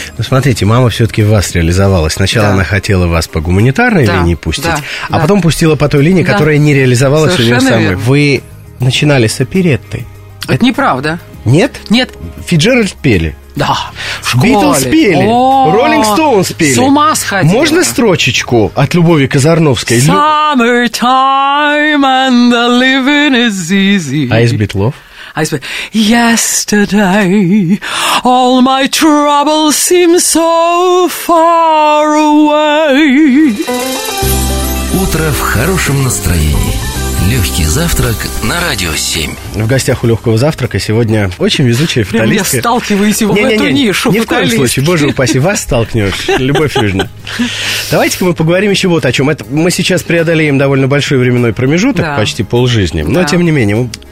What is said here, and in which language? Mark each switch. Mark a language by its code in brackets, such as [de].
[ru] Ну, смотрите, мама все-таки в вас реализовалась. Сначала она хотела вас по гуманитарной линии пустить, а потом пустила по той линии, которая не реализовалась у нее самой. Верно. Вы начинали с оперетты. Это неправда. Нет? Нет. Фицджеральд пели. Да. В школе. Битлз пели. Роллинг Стоунс пели. С ума сходила. Можно строчечку от Любови Казарновской? [en] Summer time and the living is easy. [ru] А из Битлов? [en] I said, yesterday all my troubles seem so far away. [ru] Утро в хорошем настроении. Легкий завтрак на Радио 7. В гостях у легкого завтрака сегодня очень везучая фаталистка. Прям я сталкиваюсь его в эту нишу. Ни в коем случае, боже упаси, вас столкнешь, Любовь Южна. Давайте-ка мы поговорим еще вот о чем. Это мы сейчас преодолеем довольно большой временной промежуток, почти полжизни. Но тем не менее...